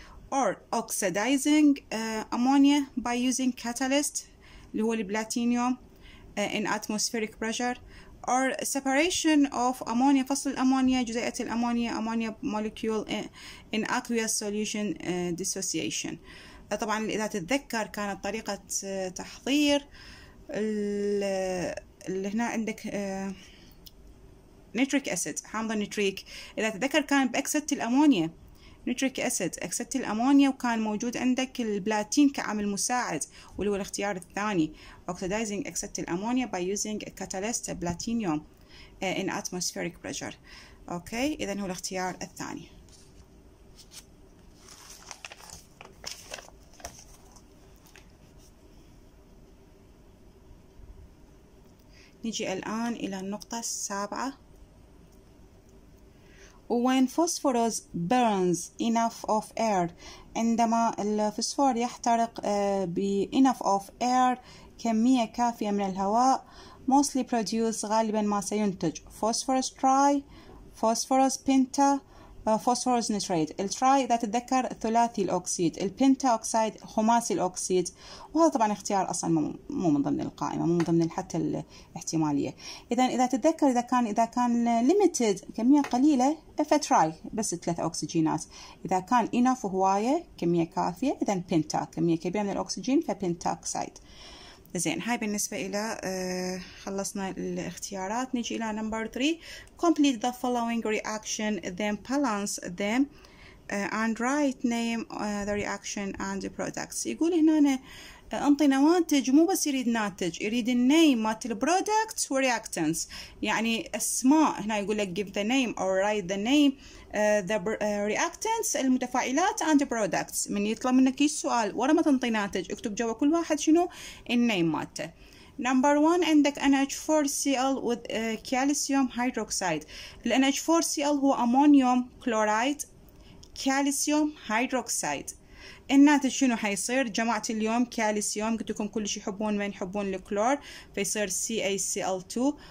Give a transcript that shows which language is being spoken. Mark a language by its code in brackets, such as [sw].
[en] Or oxidizing ammonia by using catalyst [ar] اللي هو البلاتينيوم [en] in atmospheric pressure. Or separation of ammonia [ar] فصل الأمونيا جزيئة الأمونيا [en] ammonia molecule in aqueous solution dissociation. [ar] طبعا إذا تتذكر كانت طريقة تحضير اللي هنا عندك [en] nitric acid [ar] حامض النيتريك، إذا تتذكر كان بأكسدة الأمونيا نيتريك أسيد أكسدة الأمونيا، وكان موجود عندك البلاتين كعامل مساعد واللي هو الاختيار الثاني oxidizing أكسدة الأمونيا [en] by using a catalyst platinum in atmospheric pressure. [ar] أوكي إذن هو الاختيار الثاني. نجي الآن إلى النقطة السابعة، [en] when phosphorus burns enough of air، [ar] عندما الفوسفور يحترق ب [en] enough of air [ar] كمية كافية من الهواء، [en] mostly produce [ar] غالبا ما سينتج [en] phosphorus tri phosphorus penta phosphorus nitrate. [ar] التراي إذا تتذكر ثلاثي الأكسيد، البنتا أكسيد خماسي الأكسيد، وهذا طبعا اختيار أصلا مو من ضمن القائمة، مو من ضمن حتى الاحتمالية. إذا تتذكر إذا كان limited كمية قليلة فتراي بس ثلاث أكسجينات، إذا كان enough هواية كمية كافية إذا بنتا كمية كبيرة من الأكسجين فبنتا أكسيد. زين هاي بالنسبة إلى خلصنا الاختيارات. [en] نجي إلى number three، complete the following reaction then balance them and write name the reaction and the products. [ar] يقول هنا أنطي نواتج، مو بس يريد ناتج، يريد name مات البرودكت وreactants يعني أسماء. هنا يقول لك [en] give the name or write the name the reactants [ar] المتفاعلات [en] and the products. [ar] من يطلب منك السؤال ورا ما تنطي ناتج اكتب جوا كل واحد شنو name مات. [en] Number one عندك NH4Cl with calcium hydroxide. [ar] ال NH4Cl هو أمونيوم كلورايد كالسيوم هيدروكسيد. الناتج شنو حيصير؟ جمعت اليوم كالسيوم، قلت لكم كلش يحبون من يحبون الكلور، فيصير CaCl2.